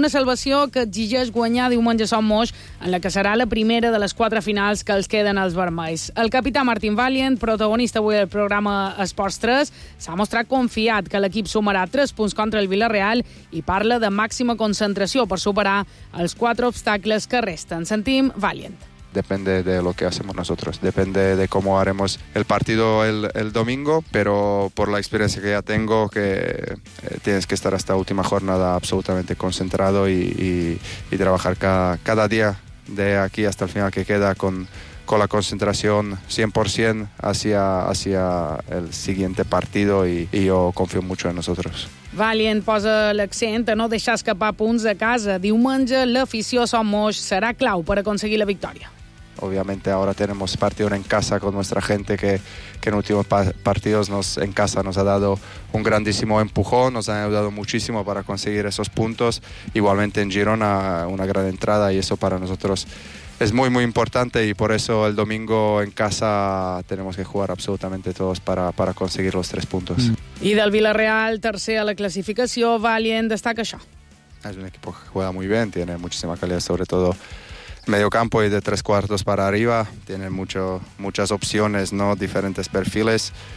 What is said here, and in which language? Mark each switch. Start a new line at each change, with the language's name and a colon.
Catalan: Una salvació que exigeix guanyar diumenge a Son Moix, en la que serà la primera de les quatre finals que els queden als vermells. El capità Martin Valiant, protagonista avui del programa Esports 3, s'ha mostrat confiat que l'equip sumarà 3 punts contra el Villarreal i parla de màxima concentració per superar els 4 obstacles que resten. Sentim Valiant.
Spanish: Depende de lo que hacemos nosotros, depende de cómo haremos el partido el domingo, pero por la experiencia que ya tengo, que tienes que estar hasta última jornada absolutamente concentrado y trabajar cada día de aquí hasta el final que queda con la concentración 100% hacia el siguiente partido y yo confío mucho en nosotros.
Catalan: Valiant posa l'accent a no deixar escapar punts a casa. Diumenge, l'afició Son Moix serà clau per aconseguir la victòria.
Spanish: Obviamente ahora tenemos partido en casa con nuestra gente que en últimos partidos en casa nos ha dado un grandísimo empujón, nos ha ayudado muchísimo para conseguir esos puntos. Igualmente en Girona una gran entrada y eso para nosotros es muy, muy importante y por eso el domingo en casa tenemos que jugar absolutamente todos para conseguir los 3 puntos.
Catalan: I del Villarreal, tercer a la classificació, Valiant destaca això.
Spanish: Es un equipo que juega muy bien, tiene muchísima calidad, sobre todo medio campo y de 3 cuartos para arriba. Tiene muchas opciones, ¿no? Diferentes perfiles.